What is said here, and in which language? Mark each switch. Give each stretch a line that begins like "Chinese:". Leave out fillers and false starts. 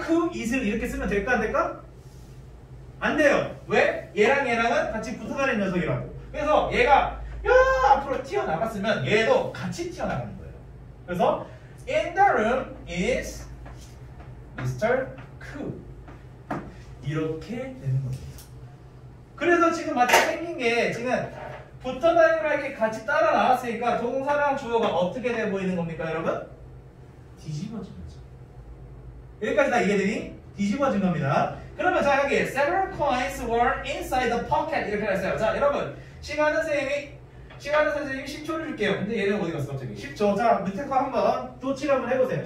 English: Cook is
Korean: 를 이렇게 쓰면 될까 안 될까? 안 돼요. 왜? 얘랑 얘랑은 같이 붙어다니는 녀석이라고. 그래서 얘가 야 앞으로 튀어나갔으면 얘도 같이 튀어나가는 거예요. 그래서
English: In the room is Mr.
Korean: Cook 이렇게 되는 겁니다. 그래서 지금 마치 생긴 게 지금 붙어다니는 이렇게 같이 따라 나왔으니까 동사랑 주어가 어떻게 돼 보이는 겁니까 여러분? 뒤집어집니다. 여기까지 다 이해되니? 뒤집어진 겁니다. 그러면 자 여기
English: Several coins were inside the pocket
Korean: 이렇게 했어요. 자 여러분 시간선생님이 10초를 줄게요. 근데 얘는 어디 갔어 갑자기? 10초. 자 밑에 거 한번 도치를 한번 해보세요.